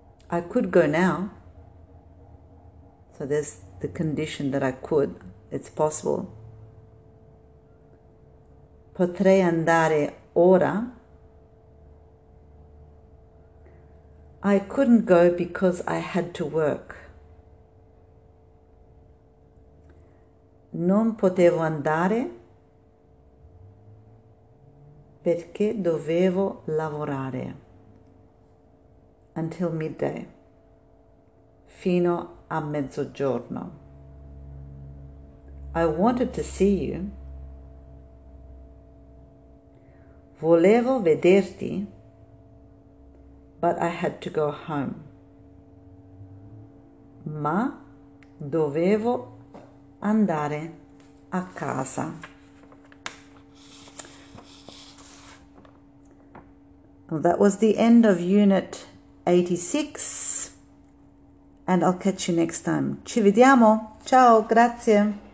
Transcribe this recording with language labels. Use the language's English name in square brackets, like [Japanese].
[English] I could go now. So there's the condition that I could. It's possible. [Italian] Potrei andare ora. [English] I couldn't go because I had to work. [Italian] Non potevo andare perché dovevo lavorare. [English] Until midday. [Italian] Fino a mezzogiorno. [English] I wanted to see you. [Italian] Volevo vederti. [English] But I had to go home. [Italian] Ma dovevo andare a casa. [English] Well, that was the end of Unit 86. And I'll catch you next time. [Italian] Ci vediamo. Ciao, grazie.